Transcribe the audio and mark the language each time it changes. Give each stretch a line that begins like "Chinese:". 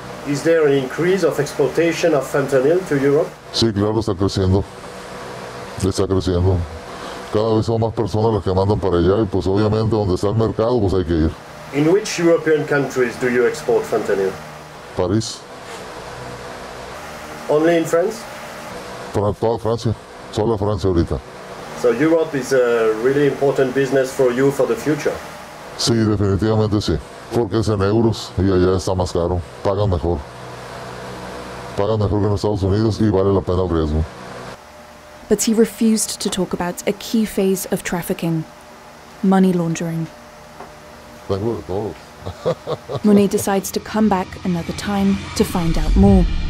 English: Is there an increase of exportation of fentanyl to Europe?
Spanish: Sí, claro, está creciendo. Está creciendo. Cada vez son más personas las que mandan para allá y pues obviamente donde está el mercado pues hay que ir.
English: In which European countries do you export fentanyl?
Spanish: París.
English: Only in France?
Spanish: Para toda Francia. Solo Francia ahorita.
English: So Europe is a really important business for you for the future?
Spanish: Sí, definitivamente sí. Porque es en euros y allá está más caro. Pagan mejor. Pagan mejor que en Estados Unidos y vale la pena el riesgo.
English: But he refused to talk about a key phase of trafficking, money laundering. Mune decides to come back another time to find out more.